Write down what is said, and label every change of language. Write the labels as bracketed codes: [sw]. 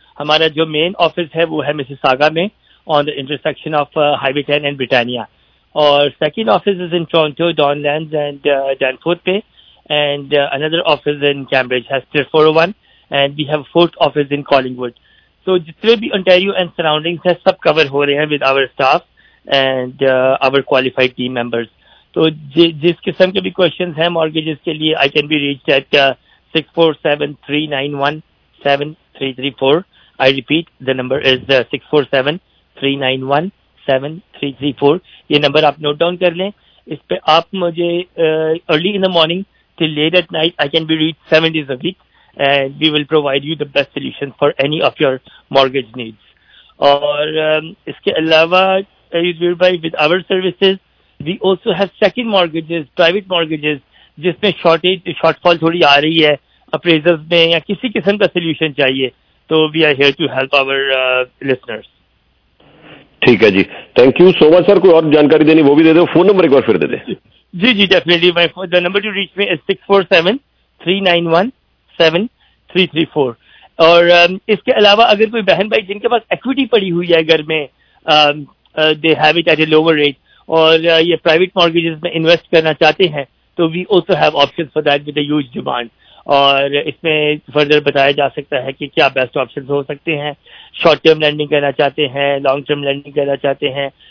[hi] ਹਮਾਰਾ ਜੋ main office ਹੈ ਵੋ ਹੈ ਮਿਸਿਸਾਗਾ ਮੇਂ, [en] On the intersection of highway 10 and Britannia, ਔਰ second office is in Toronto Donlands and Danforth ਪੇ, and another office in Cambridge Hester 401, and we have fourth office in Collingwood. [hi] तो जितने भी ओंटारियो एंड सराउंडिंग्स है सब कवर हो रहे हैं [en] With our staff and our qualified team members. [hi] तो जिस किस्म के भी क्वेश्चंस हैं मॉर्गेजेस के लिए [en] I can be reach at [hi] 6473917334. [en] I repeat the number is [hi] 6473917334. ये नंबर आप नोट डाउन कर लें. इस पे आप मुझे [en] Early in the morning till late at night I can be reach 7 days a week and we will provide you the best solution for any of your mortgage needs. [hi] और इसके अलावा यूजवीर भाई [en] with our services we also have second mortgages, private mortgages, [hi] जिसमें [en] shortfall [hi] थोड़ी आ रही है [en] appraisals [hi] में या किसी किस्म का [en] solution [hi] चाहिए तो [en] we are here to help our listeners. [hi] ठीक है जी, [en] thank you so much sir. [hi] कोई और जानकारी देनी वो भी दे दो, phone number एक बार फिर दे दे. जी जी [en] definitely, my the number to reach me is 6473917334. [hi] और इसके अलावा अगर कोई बहन भाई जिनके पास equity पड़ी हुई है घर में [en] they have it at a lower rate [hi] और ये प्राइवेट मॉर्गेजेस में इन्वेस्ट करना चाहते हैं तो [en] We also have options for that with a huge demand. [hi] और इसमें फर्दर बताया जा सकता है कि क्या बेस्ट ऑप्शंस हो सकते हैं, शॉर्ट टर्म लैंडिंग करना चाहते हैं, लॉन्ग टर्म लैंडिंग करना चाहते हैं.